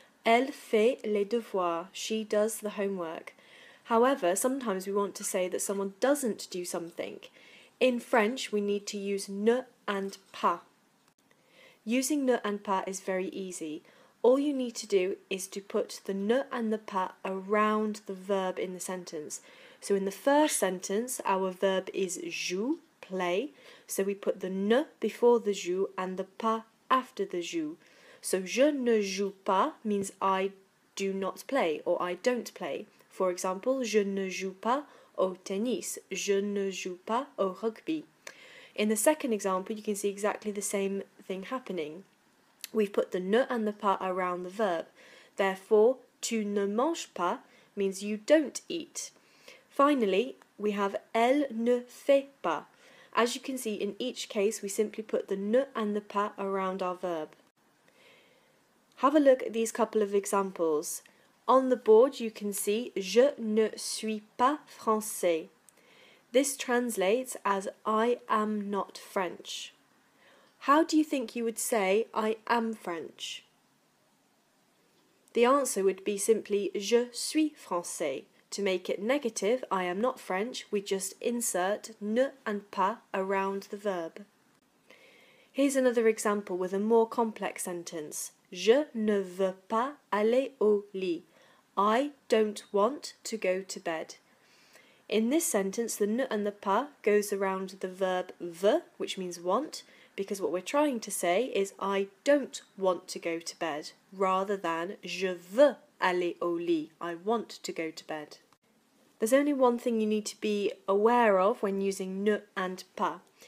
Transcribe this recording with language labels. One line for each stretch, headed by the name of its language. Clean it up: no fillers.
French: Elle fait les devoirs,
English: she does the homework. However, sometimes we want to say that someone doesn't do something. In French, we need to use ne and pas. Using ne and pas is very easy. All you need to do is to put the ne and the pas around the verb in the sentence. So in the first sentence, our verb is joue, play. So we put the ne before the joue and the pas after the joue. So
French: je ne joue pas
English: means I do not play or I don't play. For example,
French: je ne joue pas au tennis, je ne joue pas au rugby.
English: In the second example, you can see exactly the same thing happening. We've put the ne and the pas around the verb. Therefore,
French: tu ne manges pas
English: means you don't eat. Finally, we have
French: elle ne fait pas.
English: As you can see, in each case, we simply put the ne and the pas around our verb. Have a look at these couple of examples. On the board, you can see
French: je ne suis pas français.
English: This translates as I am not French. How do you think you would say I am French? The answer would be simply
French: je suis français.
English: To make it negative, I am not French, we just insert ne and pas around the verb. Here's another example with a more complex sentence.
French: Je ne veux pas aller au lit.
English: I don't want to go to bed. In this sentence, the ne and the pas goes around the verb veux, which means want, because what we're trying to say is I don't want to go to bed, rather than
French: je veux aller au lit.
English: I want to go to bed. There's only one thing you need to be aware of when using ne and pas.